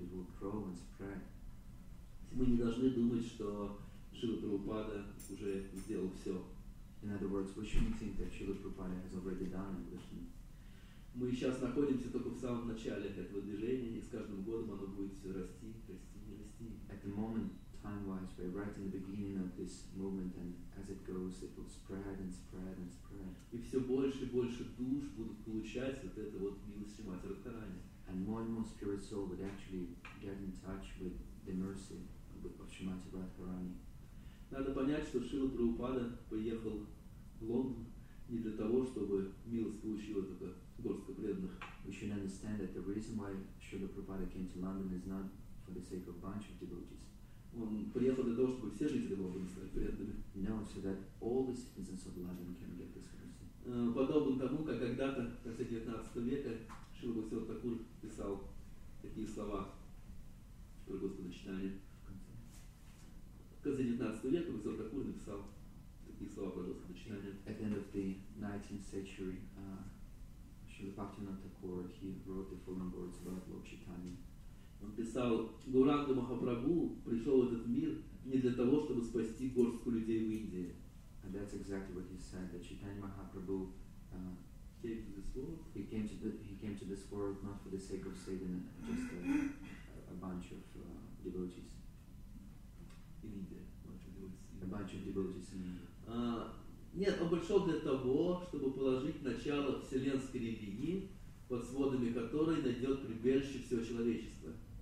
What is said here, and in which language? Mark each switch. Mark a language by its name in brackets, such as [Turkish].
[English] It will grow and spread. [Russian] Мы не должны думать, что Шрила Прабхупада уже сделал все. [English] In other words, we shouldn't think that Srila Prabhupada has already done everything. [Russian] Мы сейчас находимся только в самом начале этого движения, и с каждым годом оно будет все расти, расти и расти. [English] At the moment, time-wise, we're right in the beginning of this movement, and as it goes, it will spread and spread and spread. [Russian] И все больше и больше душ будут получать вот это вот милость Шримати Радхарани. [English] And more and more spirit soul would actually get in touch with the mercy of Shrimati Radharani. [Russian] Надо понять, что Шрила Прабхупада поехал в Лондон не для того, чтобы милость получила только горстка преданных. [English] We should understand that the reason why Srila Prabhupada came to London is not for the sake of a bunch of devotees. [Russian] Он приехал для того, чтобы все жители Лондона стали преданными. [English] No, so that all the citizens of London can get this mercy. [Russian] Подобно тому, как когда-то, в конце 19 века, Шрила Бхактивинода Тхакур писал такие слова про Господа Чайтани. За 19 век Бхактивинода Тхакур написал такие слова про Господа Чайтани. [English] At the end of the 19th century, Шрила Бхактивинода Тхакур, he wrote the following words about Lord Chaitanya. [Russian] Он писал, Гауранга Махапрабху пришел в этот мир не для того, чтобы спасти горстку людей в Индии. [English] And that's exactly what he said, that Chaitanya Mahaprabhu came to this world. He came to this world not for the sake of saving just a bunch of devotees. In India, devotees. A bunch of devotees in India. [Russian] Нет, он пришел для того, чтобы положить начало вселенской религии, под сводами которой найдет прибежище всего человечества.